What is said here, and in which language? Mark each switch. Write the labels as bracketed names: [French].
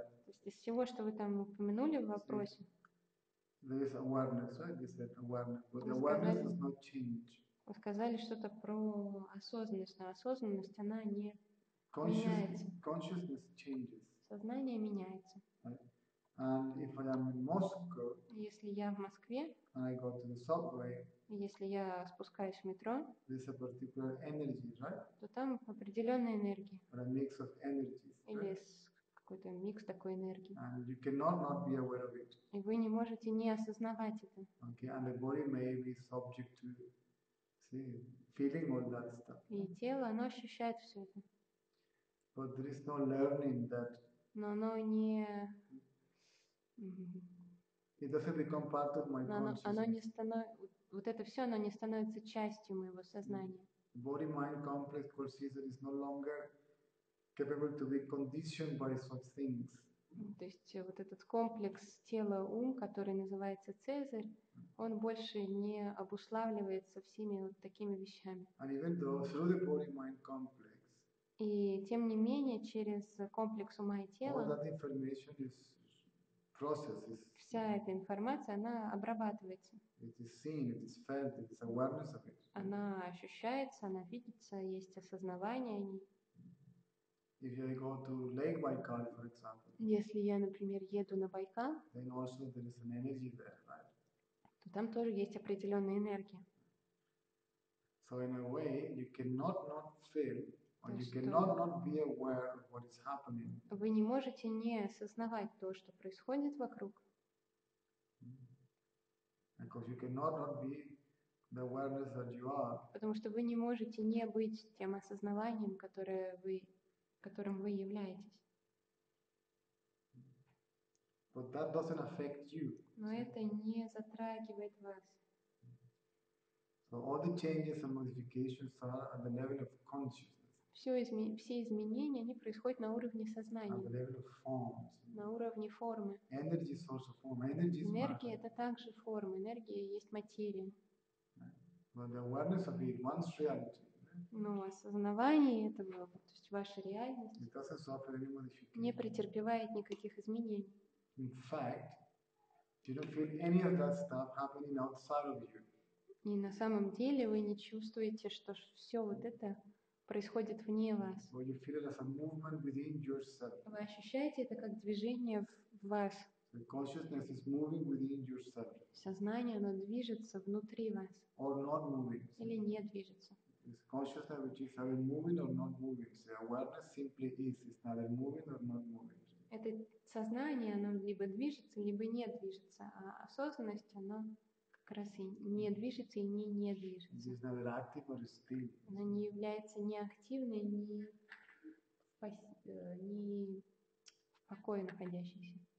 [Russian] то есть из всего, что вы там упомянули в вопросе, [English] there is awareness, right? You said awareness, but the awareness does not change. [Russian] Вы сказали что-то про осознанность, но осознанность она не меняется. [English] Consciousness changes. [Russian] Сознание меняется. [English] Right? And if I am in Moscow, [Russian] если я в Москве, [English] and I go to the subway. [Russian] Если я спускаюсь в метро, [English] there's a particular energy, right? [Russian] То там определенная энергия. [English] Or a mix of energies, [Russian] или [English] right? [Russian] Какой-то микс такой энергии. [English] And you cannot not be aware of it. [Russian] И вы не можете не осознавать это. [English] Okay, and the body may be subject to, see, feeling all that stuff. [Russian] И тело, оно ощущает все это. [English] But there is no learning that. [Russian] Но оно не. [English] It doesn't become part of my consciousness. [Russian] Оно не становится. Вот это все, оно не становится частью моего сознания. [English] Body-mind complex called Caesar is no longer capable to be conditioned by such things. [Russian] То есть вот этот комплекс тела-ум, который называется Цезарь, он больше не обуславливается всеми вот такими вещами. [English] And even though through the body-mind complex, [Russian] и тем не менее через комплекс ума и тела, [English] all that information is processes. [Russian] Вся эта информация, она обрабатывается. [English] It is seen, it is felt, it is awareness of it. [Russian] Она ощущается, она видится, есть осознавание о ней. [English] If you go to Lake Baikal, for example, [Russian] если я, например, еду на Байкал, [English] then also there is an energy there, right? [Russian] То там тоже есть определенная энергия. [English] So in a way, you cannot not feel, or you cannot not be aware of what is happening. [Russian] Вы не можете не осознавать то, что происходит вокруг. [English] Because you cannot not be the awareness that you are. [Russian] Потому что вы не можете не быть тем осознаванием, которым вы являетесь. [English] But that doesn't affect you. [Russian] Но это не затрагивает вас. [English] So all the changes and modifications are at the level of consciousness. [Russian] Все изменения, они происходят на уровне сознания. [English] At the level of forms. [Russian] На уровне формы. [English] Energy is also form. Energy is [Russian] энергия это также форма. Энергия есть материя. [English] But the awareness of it, one's reality. [Russian] Но осознавание этого, то есть ваша реальность, [English] it doesn't suffer any modification. [Russian] Не претерпевает никаких изменений. [English] In fact, you don't feel any of that stuff happening outside of you. [Russian] И на самом деле вы не чувствуете, что все вот это происходит вне вас. [English] Or you feel it as a movement within yourself. [Russian] Вы ощущаете это как движение в вас. [English] The consciousness is moving within yourself. [Russian] Сознание, оно движется внутри вас. [English] Or not moving. [Russian] Или не движется. [English] It's consciousness which is either moving or not moving. So awareness simply is. It's neither moving or not moving. [Russian] Это сознание, оно либо движется, либо не движется. А осознанность, оно как раз и не движется, и не движется. [English] It's neither active or still. [Russian] Оно не является ни активной, ни в покое находящейся.